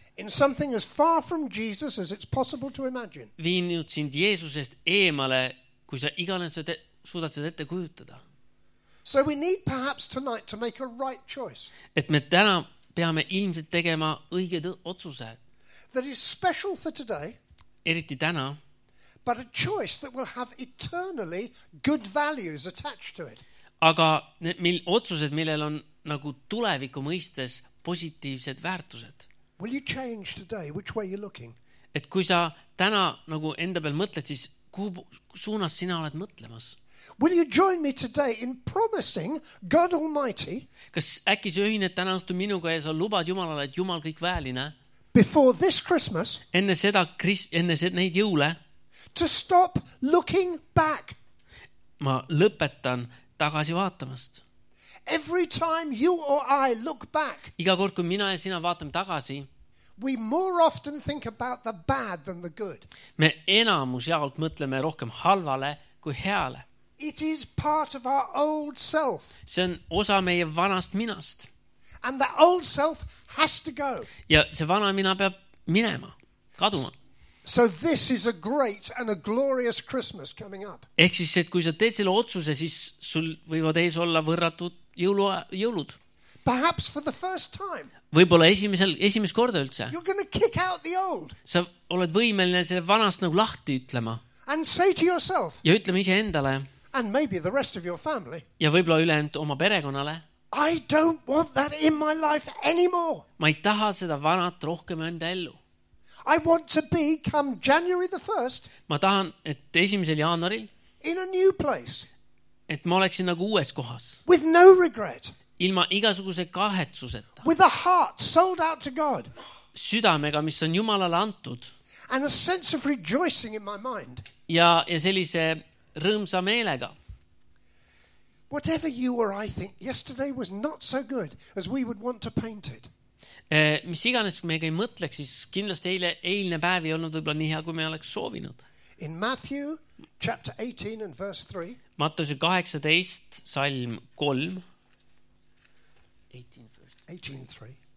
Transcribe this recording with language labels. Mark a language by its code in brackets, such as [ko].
[en] In something as far from Jesus as it's possible to imagine. [et] Viinud sind Jeesusest eemale, kui sa iganes suudad seda ette kujutada. [en] So we need perhaps tonight to make a right choice. [et] Et me täna peame ilmselt tegema õiged otsuse. [en] That is special for today. [et] Eriti täna. [en] But a choice that will have eternally good values attached to it. [et] Aga otsused, millel on nagu tuleviku mõistes positiivsed väärtused. [en] Will you change today which way you're looking? [et] Et kui sa täna nagu enda peal mõtled, siis kuhu suunas sina oled mõtlemas? [en] Will you join me today in promising God Almighty? [et] Kas äkki sa ühined täna astu minuga ja sa lubad Jumalale, et Jumal kõik vääline? [en] Before this Christmas. [et] Enne neid jõule. [en] To stop looking back. [et] Ma lõpetan tagasi vaatamast. [en] Every time you or I look back. [et] Iga kord kui mina ja sina vaatame tagasi. [en] We more often think about the bad than the good. [et] Me enamus jaolt mõtleme rohkem halvale kui heale. [en] It is part of our old self. [et] See on osa meie vanast minast. [en] And the old self has to go. [et] Ja see vana mina peab minema, kaduma. [en] So this is a great and a glorious Christmas coming up. [et] Ehk siis, et kui sa teed selle otsuse, siis sul võivad ees olla võrratud jõulud. [en] Perhaps for the first time. [et] Võib-olla esimest korda üldse. [en] You're going to kick out the old. [et] Sa oled võimeline selle vanast nagu lahti ütlema. [en] And say to yourself. [et] Ja ütleme ise endale. [en] And maybe the rest of your family. [et] Ja võib-olla ülend oma perekonnale. [en] I don't want that in my life anymore. [et] Ma ei taha seda vanat rohkem enda ellu. [en] I want to be come January the 1st. [et] Ma tahan, et esimesel jaanuaril. [en] In a new place. [et] Et ma oleksin nagu uues kohas. [en] With no regret. [et] Ilma igasuguse kahetsuseta. [en] With a heart sold out to God. [et] Südamega, mis on Jumalale antud. [en] And a sense of rejoicing in my mind. [et] Ja sellise rõõmsa meelega. [en] Whatever you or I think, yesterday was not so good as we would want to paint it. [et] Mis iganes me ei mõtleks, siis kindlasti eilne päev ei olnud võib-olla nii hea, kui me oleks soovinud. [en] In Matthew chapter 18 and verse 3. [et] Mattuse 18, salm 3. 18:3.